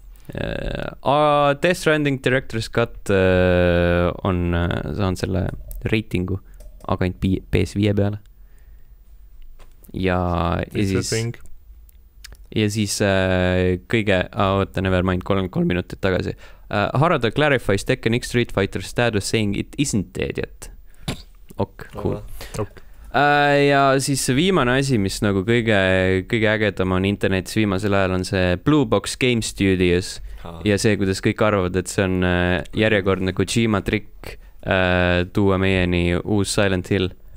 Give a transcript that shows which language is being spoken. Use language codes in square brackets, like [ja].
[et] Death Stranding Director's Cut on saanud selle reitingu, aga ainult PS5 peale. Ja siis... Thing. ja siis kõige, oota, [en] never mind, [et] 33 minutit tagasi. [en] Harada clarifies Tekken X Street Fighter status saying it isn't dead yet. Ok, cool. [et] Ja siis viimane asi, mis nagu kõige ägedam on internetis viimasel ajal, on see Blue Box Game Studios. Ja see, kuidas kõik arvavad, et see on järjekordne Kojima trick tuua meieni uus Silent Hill.